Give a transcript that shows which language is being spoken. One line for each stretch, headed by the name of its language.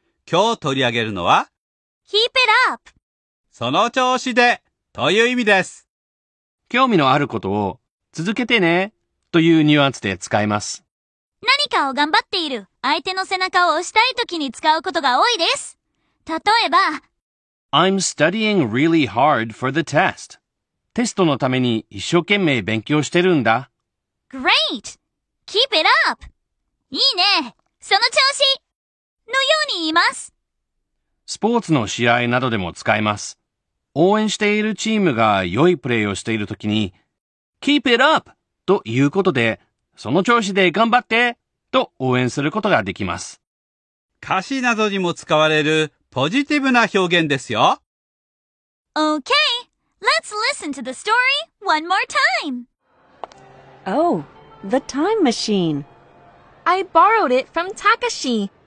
Japanese: 今日取り上げるのは
English: Keep it up!
Japanese: その調子でという意味です。興味のあることを続けてねというニュアンスで使います。何かを頑張っている相手の背中を押したい時に使うことが多いです。例えば、
English: I'm studying really hard for the test.
Japanese: テストのために一生懸命勉強してるんだ。
English: Great! Keep it up!
Japanese: いいね! その調子!のように言います。スポーツの試合などでも使います。応援しているチームが良いプレーをしている時に、
English: Keep it up!
Japanese: ということで、その調子で頑張ってと応援することができます。歌詞などにも使われるポジティブな表現ですよ。
English: Okay, let's listen to the story one more time. Oh, the time machine. I borrowed it from Takashi.